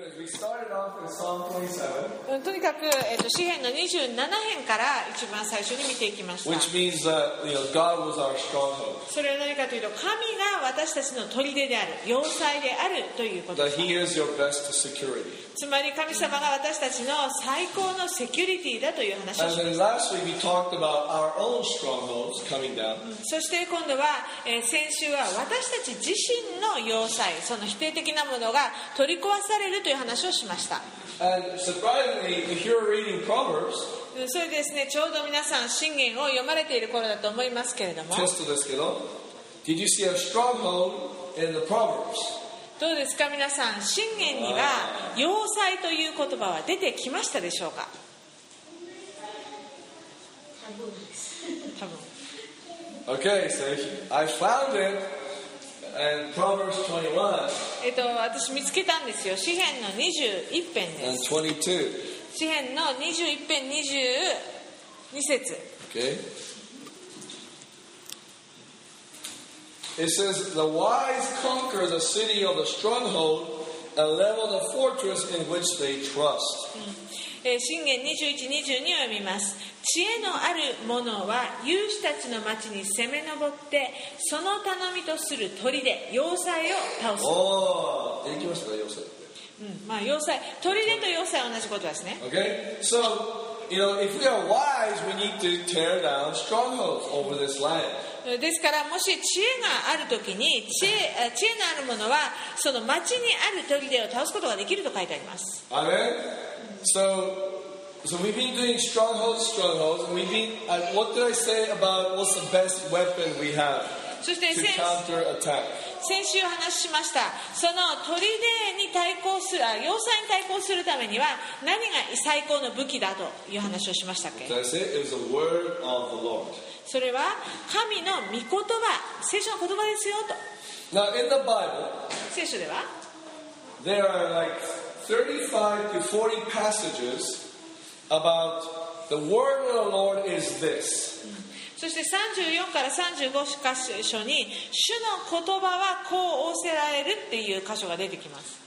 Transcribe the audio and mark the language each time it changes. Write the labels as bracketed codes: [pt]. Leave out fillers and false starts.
[ja] とにかく、詩篇の27編から一番最初に見ていきました。 [en] Which means that, you know, God was our stronghold. [ja] それは何かというと、神が私たちの砦である、要塞であるということです。 [en] That he is your best security. [ja] つまり神様が私たちの最高のセキュリティだという話をしました。 [en] And then last week we talked about our own strongholds coming down. [ja] そして今度は、先週は私たち自身の要塞、その否定的なものが取り壊されるという話をしました。 [en] And surprisingly, if you're reading Proverbs, [ja] それですね、ちょうど皆さん箴言を読まれている頃だと思いますけれども、テストですけど、 [en] Did you see a stronghold in the Proverbs? [ja] どうですか皆さん、箴言には要塞という言葉は出てきましたでしょうか。多分です。 [en] Okay, so I found it. And Proverbs 21. [ja] 私見つけたんですよ。詩篇の21編です。 [en] And 22. [ja] 詩篇の21編22節。 [en] Okay. It says, "The wise conquer the city of the stronghold and level the fortress in which they trust." [ja] 箴言21、22を読みます。知恵のある者は勇士たちの町に攻め上ってその頼みとする砦要塞を倒す。おお、できましたか要塞。うん、まあ要塞、砦と要塞は同じことですね。 [en] Okay, so you know if we are wise, we need to tear down strongholds over this land. [ja] ですからもし知恵があるときに知恵のあるものはその町にある砦を倒すことができると書いてあります。 [en] Amen. So. So we've been doing strongholds. We've been. What did I say about what's the best weapon we have to counter attack? [ja] 先週話しました。その砦に対抗する、要塞に対抗するためには何が最高の武器だという話をしましたっけ。 [en] What did I say? It was the word of the Lord. [ja] それは神の御言葉、聖書の言葉ですよと。 [en] Now in the Bible, [ja] 聖書では、 [en] there are like 35 to 40 passages. About the word of the Lord is this. [ja] そして34から35箇所に主の言葉はこう仰せられるっていう箇所が出てきます。